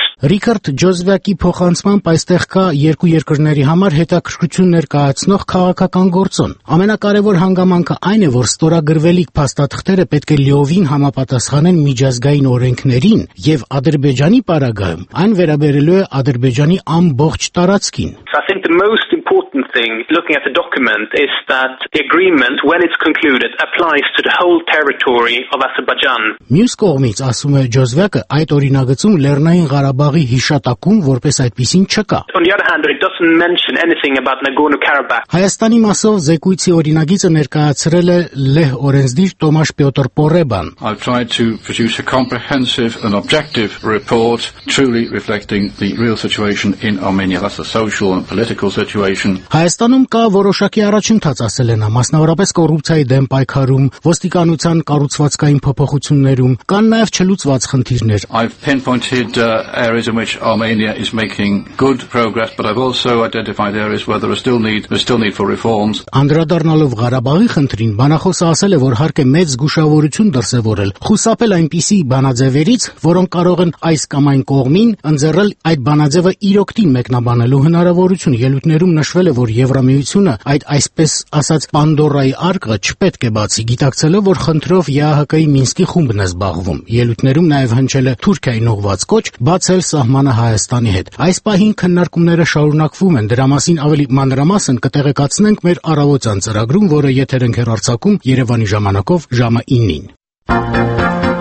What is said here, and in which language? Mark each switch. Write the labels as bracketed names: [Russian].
[Armenian] Ռիչարդ Ջոզվյակի փոխանցմամբ այստեղ կա երկու երկրների համար հետաքրքրություն ներկայացնող քաղաքական գործոն։ Ամենակարևոր հանգամանքը այն է, որ ստորագրվելիք փաստաթղթերը պետք է լիովին համապատասխանեն միջազգային օրենքներին, և Ադրբեջանի պարագայում այն վերաբերելու է Ադրբեջանի ամբողջ տարածքին։ [English] important thing, looking at the document, is that the agreement, when it's concluded, applies to the whole territory of Azerbaijan. [Armenian] Մյուս կողմից, ասում է Ջոզվեկը, այդ օրինագծում Լեռնային Ղարաբաղի հիշատակում որպես այդպիսին չկա. [English] On the other hand, it doesn't mention anything about Nagorno-Karabakh. [Armenian] Հայաստանի մասով զեկույցի օրինագիծը ներկայացրել է Լեհ օրենսդիր Տոմաշ Պյոտր Պորեբան. [English] I've tried to produce a comprehensive and objective report, truly reflecting the real situation in Armenia. That's a social and political situation. [Armenian] Հայաստանում կա որոշակի առաջընթաց, ասել են, մասնավորապես կոռուպցիայի դեմ պայքարում, ոստիկանության կառուցվածքային փոփոխություններում, կան նաև չլուծված խնդիրներ. [English] I've pinpointed areas in which Armenia is making good progress, but I've also identified areas where there's still need for reforms. [Armenian] Անդրադառնալով Ղարաբաղի խնդրին, բանախոսը ասել է, որ հարկ է մեծ զգուշավորություն դրսևորել, խուսափել այնպիսի բանաձևերից, որոնք կարող են այս կամ այն կողմին ընձեռել այդ բանաձևը իր օգտին մեկնաբանելու հնարավորություն։ Ելույթներում նշվել է, որ Եվրամիությունը այսպես ասած Պանդորայի արկղը չպետք է բացի, գիտակցելով, որ խնդրով ԵԱՀԿ-ի Մինսկի խումբն է զբաղվում։ Ելույթներում նաև հնչել է Թուրքիային ուղված կոչ բացել սահմանը Հայաստանի հետ։ Այս պահին քննարկումները շարունակվում են, դրա մասին ավելի մանրամասն կտեղեկացնենք մեր առավոտյան ծրագրում, որը եթեր ենք հեռարձակում Երևանի ժամանակով ժամը 9-ին։